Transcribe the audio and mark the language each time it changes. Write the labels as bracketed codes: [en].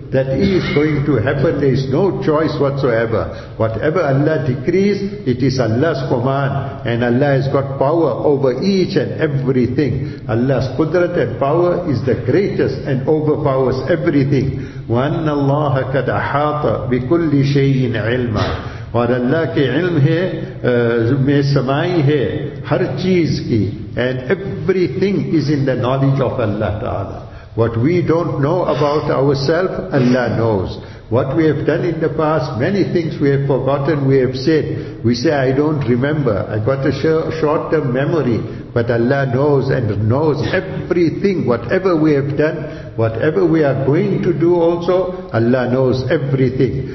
[en] That is going to happen. There is no choice whatsoever. Whatever Allah decrees, it is Allah's command. And Allah has got power over each and everything. Allah's qudrat and power is the greatest and overpowers everything. [ar] وَأَنَّ اللَّهَ قَدْ أَحَاطَ بِكُلِّ شَيْءٍ عِلْمًا. [ur] اور اللہ کے علم ہے میں سمائی ہے ہر چیز کی. [en] And everything is in the knowledge of Allah Ta'ala. What we don't know about ourselves, Allah knows. What we have done in the past, many things we have forgotten, we have said. We say, I don't remember. I got a short-term memory. But Allah knows and knows everything, whatever we have done, whatever we are going to do also, Allah knows everything.